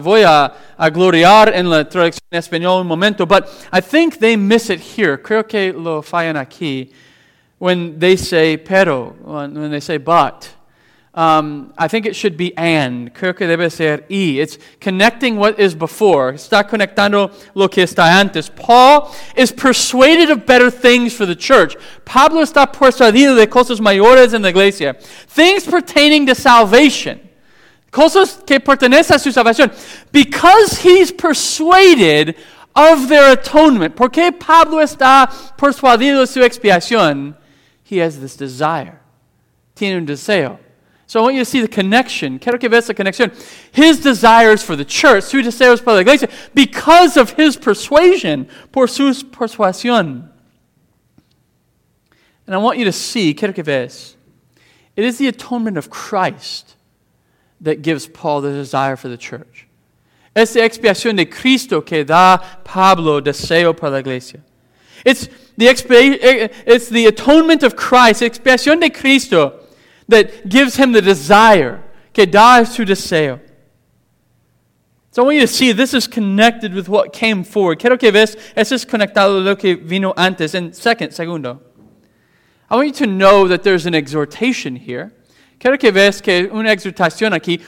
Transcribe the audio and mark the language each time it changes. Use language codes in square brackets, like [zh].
[es] Voy a gloriar en la traducción española un momento. [en] But I think they miss it here. [es] Creo que lo fallan aquí. [en] When they say pero, when they say but. I think it should be and. [es] Creo que debe ser y. [en] It's connecting what is before. [es] Está conectando lo que está antes. [en] Paul is persuaded of better things for the church. [es] Pablo está persuadido de cosas mayores en la iglesia. [en] Things pertaining to salvation. [es] Cosas que pertenecen a su salvación. [en] Because he's persuaded of their atonement. [es] Porque Pablo está persuadido de su expiación. [en] He has this desire. [es] Tiene un deseo. [en] So I want you to see the connection. [es] Quiero que veas la conexión. [en] His desires for the church, [es] su deseos para la iglesia, [en] because of his persuasion, [es] por su persuasión. [en] And I want you to see, [es] quiero que veas, [en] it is the atonement of Christ that gives Paul the desire for the church. [es] Es la expiación de Cristo que da Pablo deseo para la iglesia. [en] It's the atonement of Christ, [es] expiación de Cristo, [en] that gives him the desire, [es] que da su deseo. [en] So I want you to see this is connected with what came forward. [es] Quiero que ves, esto es conectado a lo que vino antes. [en] And segundo, I want you to know that there's an exhortation here. [es] Quiero que ves que una exhortación aquí.